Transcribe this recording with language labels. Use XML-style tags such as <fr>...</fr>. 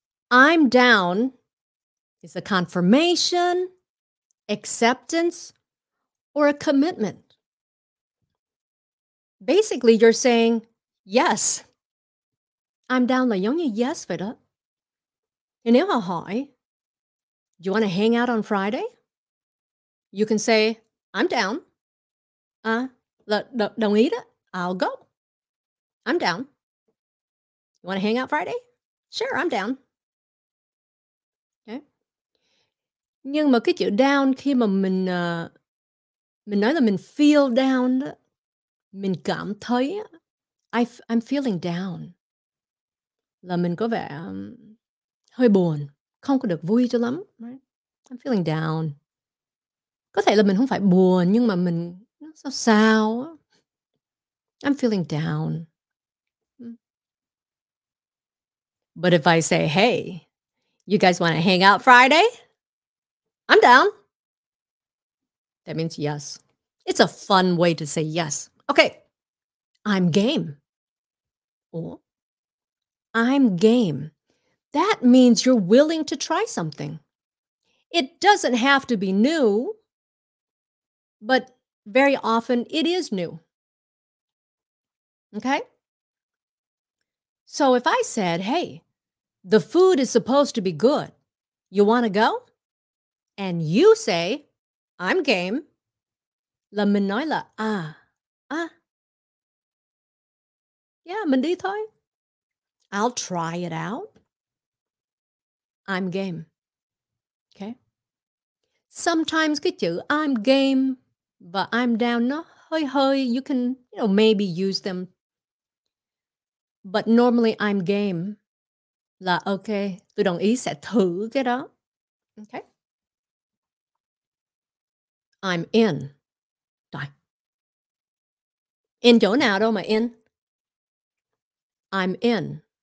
<en>I'm down is a confirmation, acceptance, or a commitment. Basically, you're saying, yes.</en> <vi>I'm down là giống như yes vậy đó. Thì nếu họ hỏi,</vi> <en>do you want to hang out on Friday? You can say, I'm down.</en> <vi>Đồng ý đó.</vi> <en>I'll go. I'm down. You want to hang out Friday? Sure, I'm down. Okay.</en> <vi>Nhưng mà cái chữ down khi mà mình nói là mình feel down đó, mình cảm thấy,</vi> <en>I'm feeling down.</en> <vi>Là mình có vẻ hơi buồn, không có được vui cho lắm. Right?</vi> <en>I'm feeling down.</en> <vi>Có thể là mình không phải buồn, nhưng mà mình sao sao.</vi> <en>I'm feeling down. But if I say, hey, you guys want to hang out Friday? I'm down. That means yes. It's a fun way to say yes. Okay, I'm game. Or, I'm game. That means you're willing to try something. It doesn't have to be new, but very often it is new. Okay? So if I said, hey, the food is supposed to be good. You want to go? And you say, I'm game.</en> <vi>Là mình nói là, yeah, mình đi thôi.</vi> <en>I'll try it out. I'm game. Okay? Sometimes</en> <vi>cái chữ</vi> <en>I'm game và I'm down nó hơi hơi, you can, you know, maybe use them. But normally I'm game.</en> <vi>Là ok, tôi đồng ý sẽ thử cái đó.</vi> <en>Okay. I'm in.</en> <vi>Rồi.</vi> <en>In</en> <vi>chỗ nào đâu mà</vi> <en>in? I'm in.</en>